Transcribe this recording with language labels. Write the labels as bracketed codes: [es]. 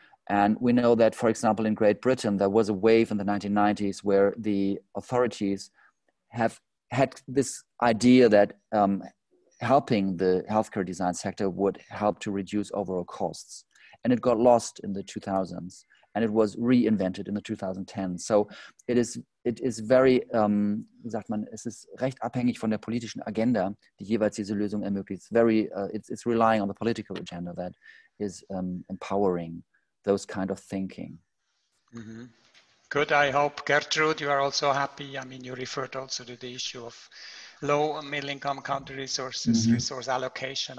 [en] And we know that, for example, in Great Britain, there was a wave in the 1990s where the authorities have had this idea that helping the healthcare design sector would help to reduce overall costs. And it got lost in the 2000s and it was reinvented in the 2010s. So it is very, [de] wie sagt man, es ist recht abhängig von der politischen Agenda, die jeweils diese Lösung ermöglicht. [en] It's relying on the political agenda that is empowering those kind of thinking. Mm-hmm. Good, I hope Gertrude, you are also happy. I mean, you referred also to the issue of low and middle income country resources, resource allocation.